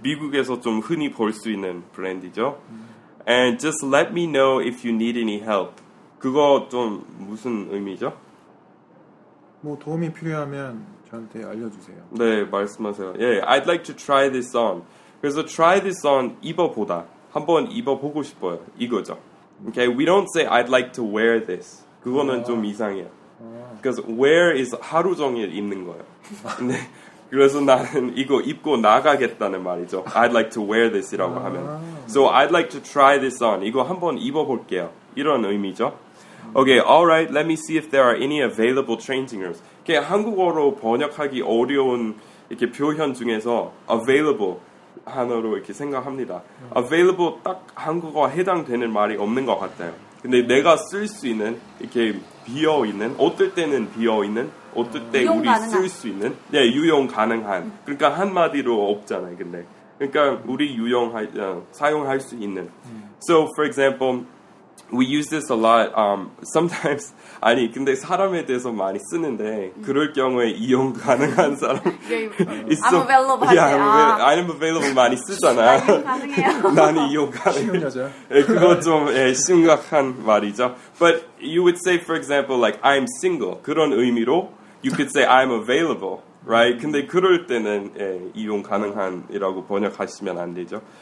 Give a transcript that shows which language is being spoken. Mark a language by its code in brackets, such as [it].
[ko] 미국에서 좀 흔히 볼 수 있는 브랜드죠. [en] And just let me know if you need any help. [ko] 그거 좀 무슨 의미죠? 뭐 도움이 필요하면 저한테 알려주세요. 네, 말씀하세요. [en] Yeah, I'd like to try this on. 그래서 try this on [ko] 입어보다. 한번 입어보고 싶어요. 이거죠. [en] Okay, we don't say I'd like to wear this. [ko] 그거는 좀 이상해요. [en] Because wear is [ko] 하루 종일 입는 거예요. 네, 그래서 나는 이거 입고 나가겠다는 말이죠. [en] I'd like to wear this [ko] 이라고 하면. [en] So I'd like to try this on. [ko] 이거 한번 입어볼게요. 이런 의미죠. [en] Okay, alright, let me see if there are any available changing rooms. [ko] 한국어로 번역하기 어려운 이렇게 표현 중에서 available 하나로 이렇게 생각합니다. Available 딱 한국어 해당되는 말이 없는 것 같아요. 근데 내가 쓸 수 있는, 이렇게 비어있는, 어떨 때는 비어있는, 어떨 때 우리 쓸 수 있는, 네, 유용 가능한. 그러니까 한마디로 없잖아요, 근데. 그러니까 우리 사용할 수 있는. [en] So, for example, we use this a lot. [ko] Sometimes, 아니, 근데 사람에 대해서 많이 쓰는데, 그럴 경우에 이용 가능한 사람. [en] I'm available [ko] 많이 쓰잖아. 나는 이용 가능. 쉬운 여자. 예, 그거 좀 예, 심각한 말이죠. [en] But you would say, for example, like, I'm single. [ko] 그런 의미로, [en] you could say, I'm available. Right? [ko] 근데 그럴 때는 예, 이용 가능한이라고 번역하시면 안 되죠.